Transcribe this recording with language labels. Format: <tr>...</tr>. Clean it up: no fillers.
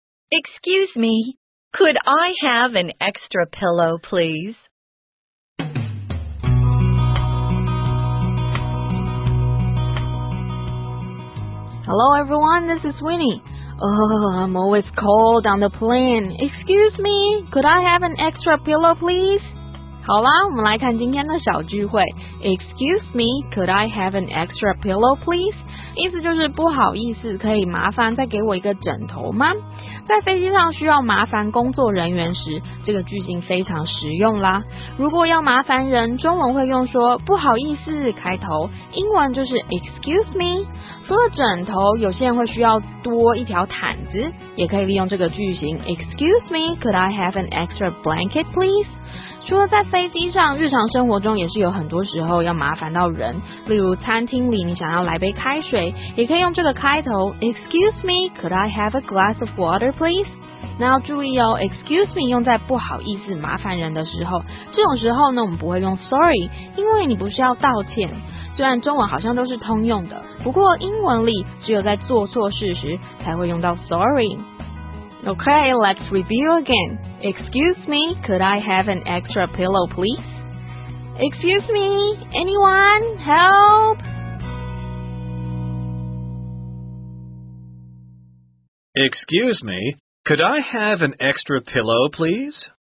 <en>Excuse me, could I have an extra pillow, please? Hello, everyone, this is Winnie. I'm always cold on the plane. Excuse me, could I have an extra pillow, please?</en> <zh>好啦，我们来看今天的小聚会。 Excuse me, could I have an extra pillow, please? 意思就是不好意思，可以麻烦再给我一个枕头吗？在飞机上需要麻烦工作人员时，这个句型非常实用啦。如果要麻烦人，中文会用说不好意思开头，英文就是 excuse me。除了枕头，有些人会需要多一条毯子，也可以利用这个句型</zh> <en>excuse me, could I have an extra blanket, please?</en> <zh>除了在飞机上，日常生活中也是有很多时候要麻烦到人。例如餐厅里你想要来杯开水，也可以用这个开头</zh> <en>Excuse me, could I have a glass of water, please?</en> <zh>那要注意哦， Excuse me 用在不好意思麻烦人的时候，这种时候呢，我们不会用 sorry， 因为你不是要道歉。虽然中文好像都是通用的，不过英文里只有在做错事时才会用到 sorry。</zh> <en>Okay, let's review again. Excuse me, could I have an extra pillow, please? Excuse me, anyone? Help! Excuse me, could I have an extra pillow, please?</en>